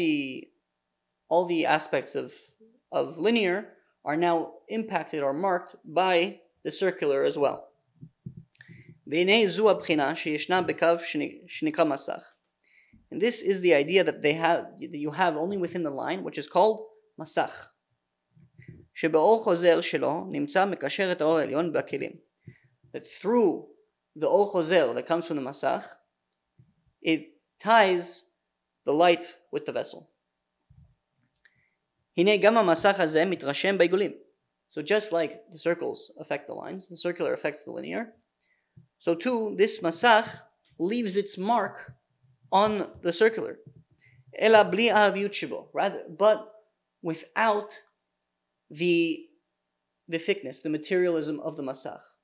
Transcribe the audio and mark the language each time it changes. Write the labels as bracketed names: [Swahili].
[English] You have all the aspects of linear are now impacted or marked by the circular as well. [Hebrew] והנה זו הבחינה שישנה בקו שנקרא מסך. [English] And this is the idea that you have only within the line, which is called מסך. [Hebrew] שבאור חוזר שלו נמצא מקשר את האור העליון בכלים. [English] That through the אור חוזר that comes from the מסך, it ties the light with the vessel. [Hebrew] הנה גם המסך הזה מתרשם בעיגולים. [English] So just like the circles affect the lines, the circular affects the linear, so too, this masach leaves its mark on the circular. [Hebrew] Ela bli ahaviyut shebo, [English] rather, but without the thickness, the materialism of the masach.